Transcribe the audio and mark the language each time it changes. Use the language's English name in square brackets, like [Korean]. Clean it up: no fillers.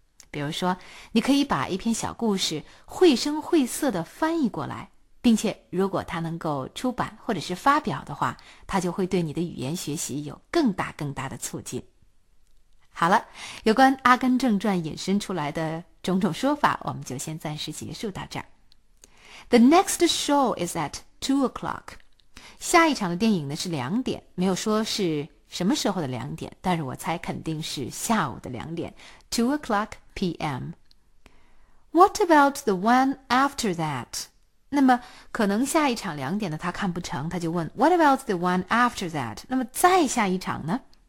[Chinese] 比如说你可以把一篇小故事绘声绘色地翻译过来，并且如果它能够出版或者是发表的话，它就会对你的语言学习有更大更大的促进。好了，有关《阿甘正传》引申出来的种种说法我们就先暂时结束到这儿。 [English] The next show is at 2 o'clock. [Chinese] 下一场的电影呢是两点，没有说是什么时候的两点，但是我猜肯定是下午的两点， [English] 2 o'clock p.m. What about the one after that? [Chinese] 那么可能下一场两点的他看不成，他就问 [English] What about the one after that? [Chinese] 那么再下一场呢？